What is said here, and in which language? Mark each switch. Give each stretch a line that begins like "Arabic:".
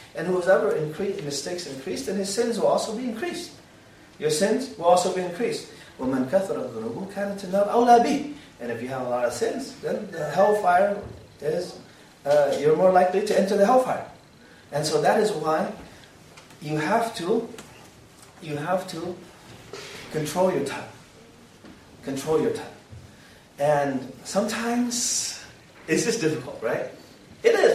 English: And whoever mistakes increase, then his sins will also be increased. Your sins will also be increased.
Arabic: وَمَنْ كَثَرَ الظُّنُوبُ كَانَ تَنَّارُ أَوْلَى بِهِ.
English: And if you have a lot of sins, then the hellfire is, you're more likely to enter the hellfire. And so that is why you have to control your tongue. Control your tongue. And sometimes, is this difficult, right? It is.